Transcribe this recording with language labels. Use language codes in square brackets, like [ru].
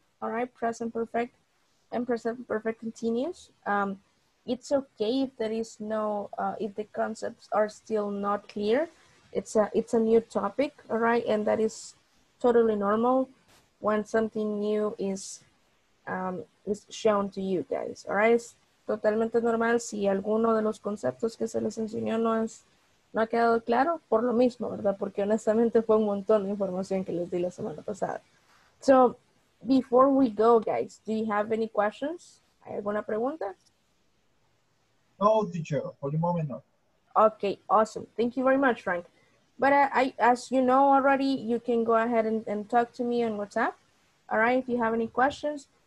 [en] All right, present perfect and present perfect continuous. It's okay if there is no, if the concepts are still not clear. It's a new topic, all right, and that is totally normal when something new is shown to you guys, all right? [es] Es totalmente normal si alguno de los conceptos que se les enseñó no ha quedado claro, por lo mismo, ¿verdad? Porque honestamente fue un montón de información que les di la semana pasada. [en] So, before we go, guys, do you have any questions? [es] ¿Hay alguna pregunta? [en] No, teacher, for the moment, no. Okay, awesome. Thank you very much, Frank. But I, as you know already, you can go ahead and talk to me on WhatsApp, all right, if you have any questions.